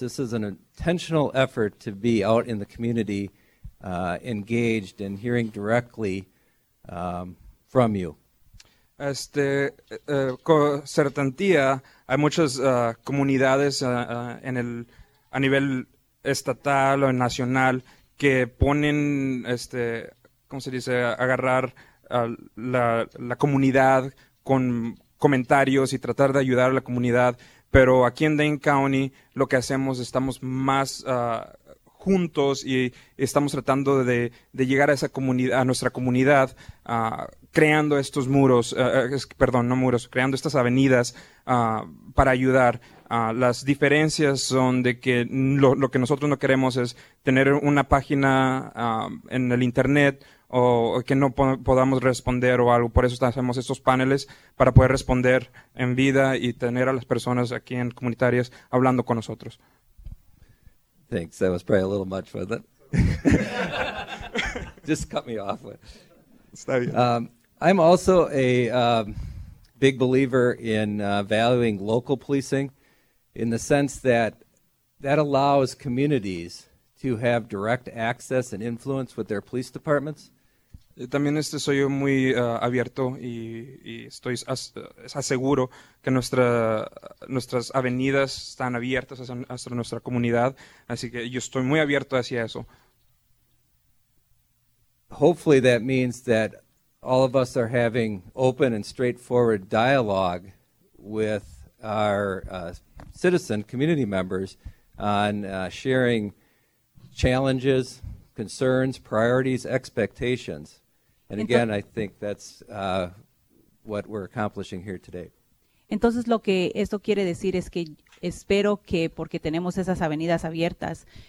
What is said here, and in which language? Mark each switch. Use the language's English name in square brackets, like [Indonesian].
[English] This is an intentional effort to be out in the community engaged in hearing directly from you. [Spanish] Con certantía hay muchas comunidades a nivel estatal o nacional que ponen ¿cómo se dice? Agarrar a la comunidad con comentarios y tratar de ayudar a la comunidad, pero aquí en Dane County lo que hacemos, estamos más juntos y estamos tratando de llegar a esa comunidad, a nuestra comunidad, creando estos muros, perdón, no muros, creando estas avenidas para ayudar. Las diferencias son de que lo que nosotros no queremos es tener una página en el internet o que no podamos responder o algo. Por eso hacemos estos paneles, para poder responder en vida y tener a las personas aquí en comunitarias hablando con nosotros. [English] Thanks. That was probably a little much, wasn't it? Just cut me off. [Spanish] Está bien. [English] I'm also a big believer in valuing local policing, in the sense that that allows communities to have direct access and influence with their police departments. [Spanish] También soy muy abierto y estoy aseguro que nuestras avenidas están abiertas hacia nuestra comunidad, así que yo estoy muy abierto hacia eso. [English] Hopefully that means that all of us are having open and straightforward dialogue with our citizen community members on sharing challenges, concerns, priorities, expectations. And again, I think that's what we're accomplishing here today. [Spanish] Entonces, lo que esto quiere decir es que espero que, porque tenemos esas avenidas abiertas,